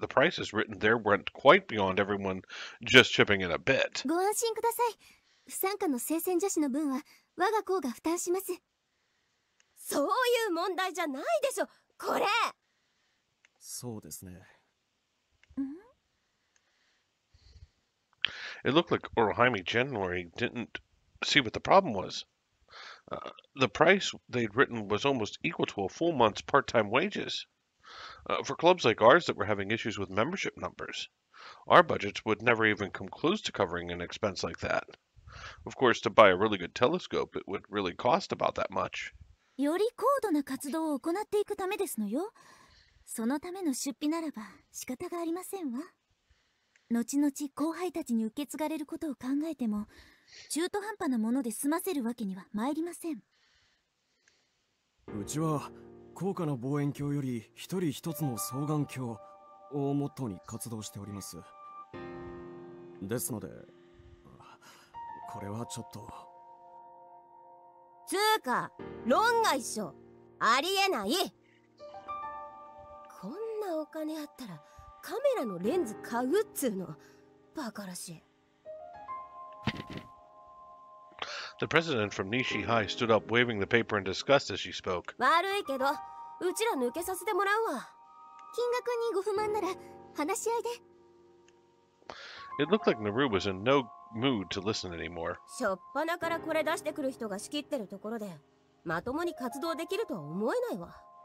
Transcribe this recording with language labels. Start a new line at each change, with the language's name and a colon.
English: The prices written there went quite beyond everyone just chipping in a bit.
Japanese: ご安心ください。不参加の聖戦女子の分は我が校が負担します。そういう問題じゃないでしょ。これ。そうですね。
English: It looked like Orohime generally didn't see what the problem was. The price they'd written was almost equal to a full month's part-time wages. For clubs like ours that were having issues with membership numbers, our budgets would never even come close to covering an expense like that. Of course, to buy a really good telescope, it would really cost about that much.
Japanese: より高度な活動を行っていくためですのよ。そのための出費ならば仕方がありませんわ。後々後輩たちに受け継がれることを考えても、中途半端なもので済ませるわけには参りません。うちは…高価な望遠鏡より一人一つの双眼鏡をモットーに活動しております。ですので、これはちょっと… つーか、論外っしょ。ありえない。こんなお金あったらカメラのレンズ買うっつーの。バカらしい。
English: The president from Nishi High stood up, waving the paper in disgust as she spoke.
Japanese: 悪いけど、うちら抜けさせてもらうわ。金額にご不満なら話し合いで。
English: It looked like Naru was in no mood to listen anymore.
Japanese: 初っ端からこれ出してくる人が仕切ってるところで、まともに活動できるとは思えないわ。